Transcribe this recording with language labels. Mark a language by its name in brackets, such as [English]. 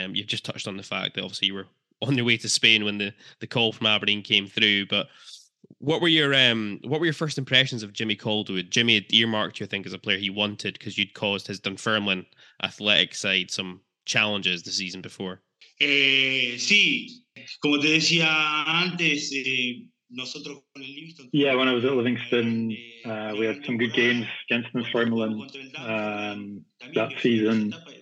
[English] You've just touched on the fact that obviously you were on your way to Spain when the call from Aberdeen came through. But what were your first impressions of Jimmy Caldwell? Jimmy had earmarked you, I think, as a player he wanted because you'd caused his Dunfermline Athletic side some challenges the season before. [Spanish] Sí, como te decía antes, nosotros con el Livingston. [English] Yeah, when I was at Livingston, we had some good games against Dunfermline that season.